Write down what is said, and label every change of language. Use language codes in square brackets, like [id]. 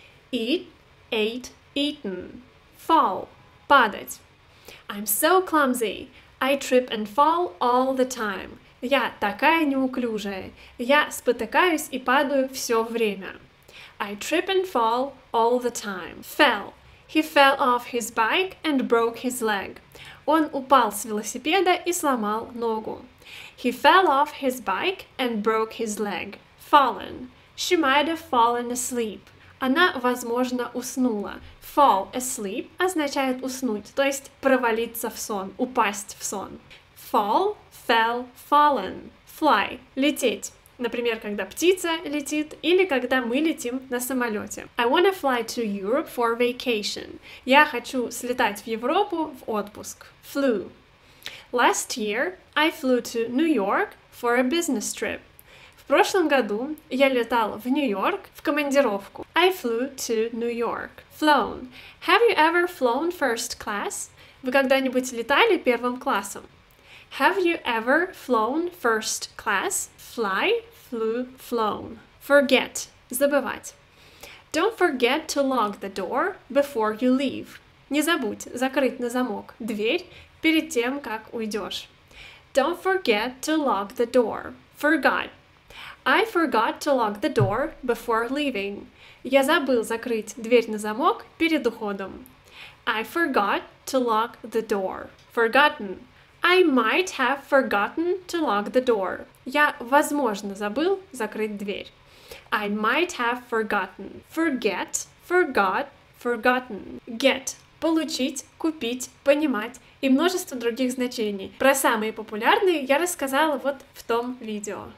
[en] Eat, ate, eaten. Fall. [ru] Падать. [en] I'm so clumsy. I trip and fall all the time. [ru] Я такая неуклюжая. Я спотыкаюсь и падаю все время. [en] I trip and fall all the time. Fell. He fell off his bike and broke his leg. [ru] Он упал с велосипеда и сломал ногу. [en] He fell off his bike and broke his leg. Fallen. She might have fallen asleep. [ru] Она, возможно, уснула. [en] Fall asleep [ru] означает уснуть, то есть провалиться в сон, упасть в сон. [en] Fall, fell, fallen. Fly [ru] – лететь. Например, когда птица летит или когда мы летим на самолете. [en] I wanna fly to Europe for vacation. [ru] Я хочу слетать в Европу в отпуск. [en] Flew. Last year I flew to New York for a business trip. [ru] В прошлом году я летал в Нью-Йорк в командировку. [en] I flew to New York. Flown. Have you ever flown first class? [ru] Вы когда-нибудь летали первым классом? [en] Have you ever flown first class? Fly, flew, flown. Forget. [ru] Забывать. [en] Don't forget to lock the door before you leave. [ru] Не забудь закрыть на замок дверь перед тем, как уйдешь. [en] Don't forget to lock the door. Forgot. I forgot to lock the door before leaving. [ru] Я забыл закрыть дверь на замок перед уходом. [en] I forgot to lock the door. Forgotten. I might have forgotten to lock the door. [ru] Я, возможно, забыл закрыть дверь. [en] I might have forgotten. Forget, forgot, forgotten. Get. [ru] Получить, купить, понимать и множество других значений. Про самые популярные я рассказала вот в том видео.